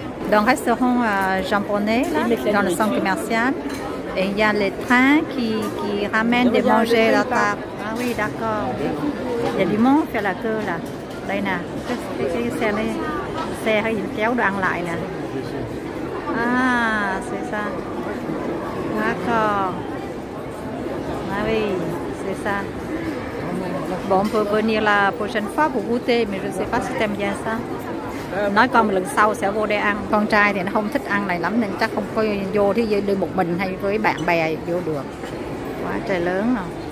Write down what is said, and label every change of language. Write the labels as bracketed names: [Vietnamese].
[French] Dans le restaurant japonais là dans le centre commercial et il y a les trains qui ramènent de manger la table. Ah oui, d'accord. Il y a du monde à la queue là. [Vietnamese] Đây nè, cái xe này, xe hay gì kéo đồ ăn lại nè. [French] Ah, c'est ça. D'accord. Ah oui, c'est ça. Bon, on peut venir la prochaine fois pour goûter, mais je ne sais pas si t'aimes bien ça. [Vietnamese] Nói con lần sau sẽ vô đây ăn. Con trai thì nó không thích ăn này lắm, nên chắc không có vô thì đi một mình hay với bạn bè vô được. Quá trời lớn rồi.